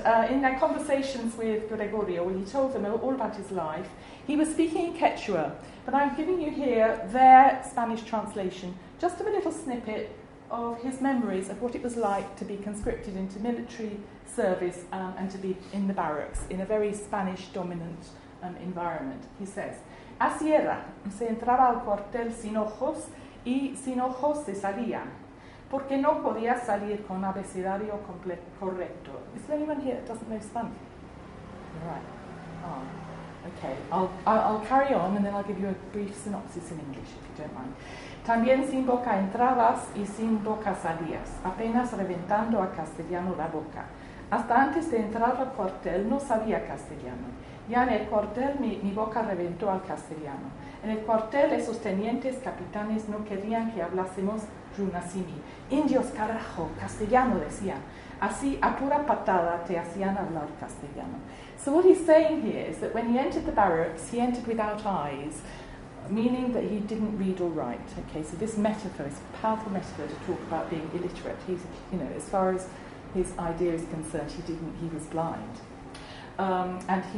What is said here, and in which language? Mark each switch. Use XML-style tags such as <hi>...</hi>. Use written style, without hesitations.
<en>In their conversations with Gregorio, when he told them all about his life, he was speaking in Quechua, but I'm giving you here their Spanish translation, just of a little snippet of his memories of what it was like to be conscripted into military service and to be in the barracks in a very Spanish-dominant environment. He says,</en> <es>así era, se entraba al cuartel sin ojos y sin ojos se salía, porque no podía salir con abecedario correcto.</es> <en>Is there anyone here that doesn't know Spanish? Right. Oh. Okay, I'll carry on and then I'll give you a brief synopsis in English if you don't mind.</en> <es>También sin boca entrabas y sin boca salías, apenas reventando a castellano la boca. Hasta antes de entrar al cuartel no sabía castellano. Ya en el cuartel mi boca reventó al castellano. En el cuartel esos tenientes, capitanes, no querían que hablásemos runasimi. Indios, carajo, castellano, decían. Así, a pura patada, te hacían hablar castellano.</es> <en>So what he's saying here is that when he entered the barracks, he entered without eyes, meaning that he didn't read or write. Okay, so this metaphor is a powerful metaphor to talk about being illiterate. He's, you know, as far as his idea is concerned, he was blind.</en>